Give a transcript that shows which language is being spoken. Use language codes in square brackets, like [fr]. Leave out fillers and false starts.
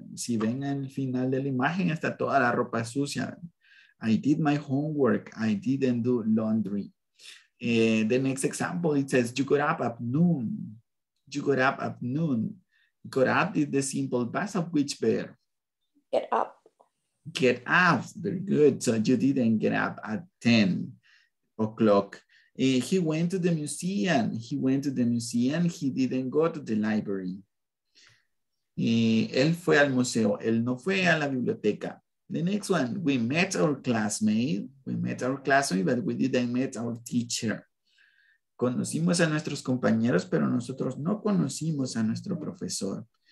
[es] Si ven al final de la imagen, está toda la ropa sucia. [en] I did my homework. I didn't do laundry. The next example, it says, you got up at noon. You got up at noon. Got up is the simple past of which verb? Get up. Get up. Very good. So you didn't get up at 10 o'clock. He went to the museum. He went to the museum. He didn't go to the library. [es] Él fue al museo. Él no fue a la biblioteca. [en] The next one, we met our classmate. We met our classmate, but we didn't meet our teacher. [es] Conocimos a nuestros compañeros, pero nosotros no conocimos a nuestro profesor.